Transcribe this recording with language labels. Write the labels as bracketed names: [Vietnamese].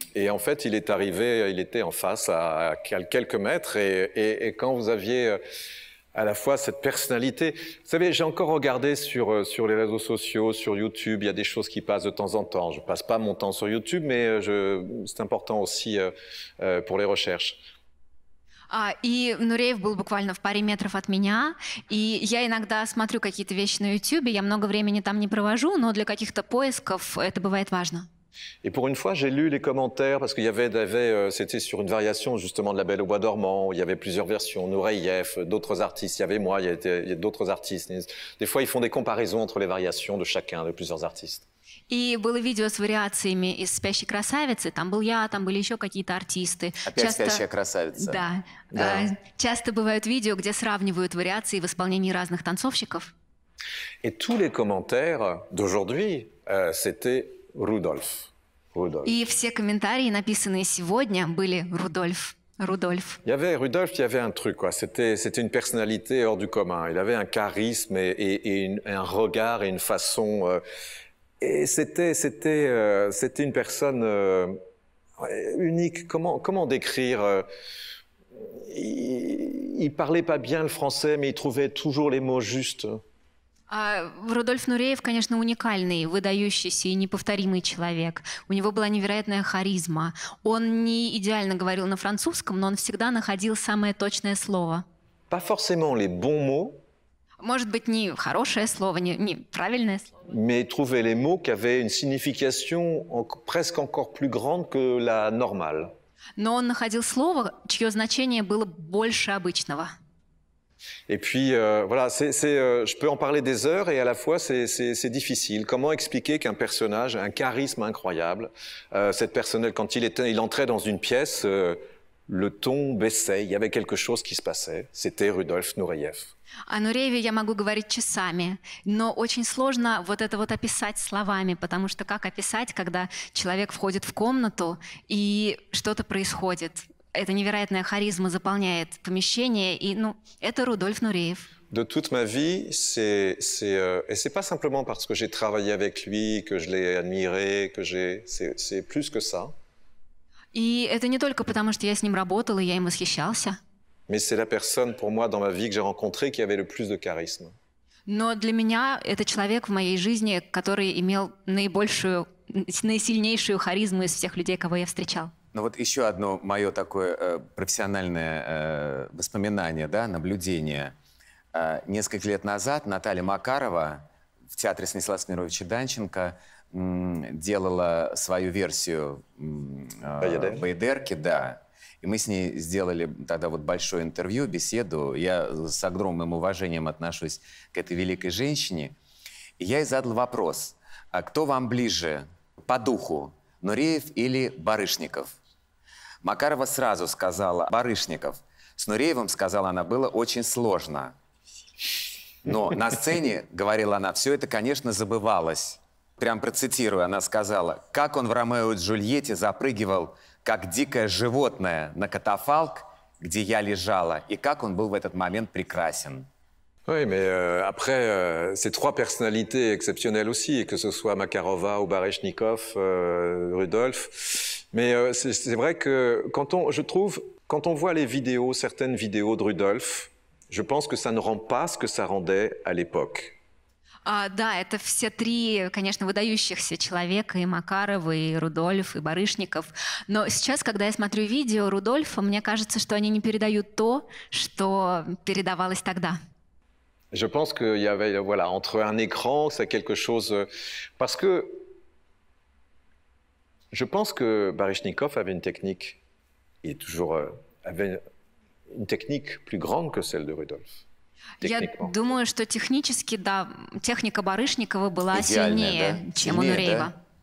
[French] Et en fait, il est arrivé, il était en face à quelques mètres, et quand vous aviez à la fois cette personnalité, vous savez, j'ai encore regardé sur les réseaux sociaux, sur YouTube, il y a des choses qui passent de temps en temps. Je passe pas mon temps sur YouTube, mais c'est important aussi pour les recherches. [Russian] И Нуреев был буквально в паре метров от меня, и я иногда смотрю какие-то вещи на YouTube, я много времени там не провожу, но для каких-то поисков это бывает важно. [French] Et pour une fois, j'ai lu les commentaires, parce qu'il y avait, c'était sur une variation justement de La Belle au bois dormant, il y avait plusieurs versions, Nureyev, d'autres artistes, il y avait moi, il y a d'autres artistes. Des fois, ils font des comparaisons entre les variations de chacun, de plusieurs artistes. [Russian] И было видео с вариациями из «Спящей красавицы». Там был я, там были еще какие-то артисты. Опять часто... «Спящая красавица». Да. Да. Часто бывают видео, где сравнивают вариации в исполнении разных танцовщиков. И [French] tous les commentaires d'aujourd'hui, c'était Rudolf. Rudolf. [Russian] И все комментарии, написанные сегодня, были Рудольф. [French] Rudolf. Il y avait Rudolf, il y avait un truc, quoi. C'était une personnalité hors du commun. Il avait un charisme et un regard et une façon... Et c'était une personne unique. Comment décrire? Il parlait pas bien le français, mais il trouvait toujours les mots justes. [Russian] Рудольф Нуреев, конечно, уникальный, выдающийся и неповторимый человек. У него была невероятная харизма. Он не идеально говорил на французском, но он всегда находил самое точное слово. [French] Pas forcément les bons mots. [Russian] Может быть, не хорошее слово, не правильное слово. [French] Mais trouver les mots qui avaient une signification presque encore plus grande que la normale. [Russian] Но он находил слово, чье значение было больше обычного. [French] Et puis voilà, je peux en parler des heures et à la fois c'est difficile. Comment expliquer qu'un personnage, un charisme incroyable, cette personnelle, quand il entrait dans une pièce, le ton baissait, il y avait quelque chose qui se passait. C'était Rudolf Nureyev. [Russian] О Нурееве я могу говорить часами, но очень сложно вот это вот описать словами, потому что как описать, когда человек входит в комнату и что-то происходит? эта невероятная харизма заполняет помещение, и, ну, это Рудольф Нуреев. [French] De toute ma vie, et c'est pas simplement parce que j'ai travaillé avec lui, que je l'ai admiré, c'est plus que ça. [Russian] И это не только потому, что я с ним работал, и я им восхищался. [French] Mais c'est la personne pour moi dans ma vie que j'ai rencontrée qui avait le plus de charisme. [Russian] Но для меня это человек в моей жизни, который имел наисильнейшую харизму из всех людей, кого я встречал. Ну вот еще одно мое такое профессиональное воспоминание, да, наблюдение. Несколько лет назад Наталья Макарова в театре Станислава Мировича Данченко делала свою версию Байдерки, да. И мы с ней сделали тогда вот большое интервью, беседу. Я с огромным уважением отношусь к этой великой женщине. И я ей задал вопрос, а кто вам ближе по духу, Нуреев или Барышников? Макарова сразу сказала Барышников. С Нуреевым, сказала она, было очень сложно. Но на сцене, говорила она, все это, конечно, забывалось. Прям процитирую, она сказала, как он в «Ромео и Джульетте» запрыгивал, как дикое животное, на катафалк, где я лежала, и как он был в этот момент прекрасен. [French] Oui, mais après, c'est trois personnalités exceptionnelles aussi, que ce soit Makarova ou Baryshnikov, Rudolf. Mais c'est vrai que, quand on voit les vidéos, certaines vidéos de Rudolf, je pense que ça ne rend pas ce que ça rendait à l'époque. [Russian] Да, это все три, конечно, выдающихся человека, и Макарова, и Рудольф, и Барышников. Но сейчас, когда я смотрю видео Рудольфа, мне кажется, что они не передают то, что передавалось тогда. [French] Je pense qu'il y avait, voilà, entre un écran, c'est quelque chose... Parce que je pense que Baryshnikov avait une technique, il est toujours... avait une technique plus grande que celle de Rudolf. [Russian] Я думаю, что технически, да, техника Барышникова была сильнее, чем у Нуреева.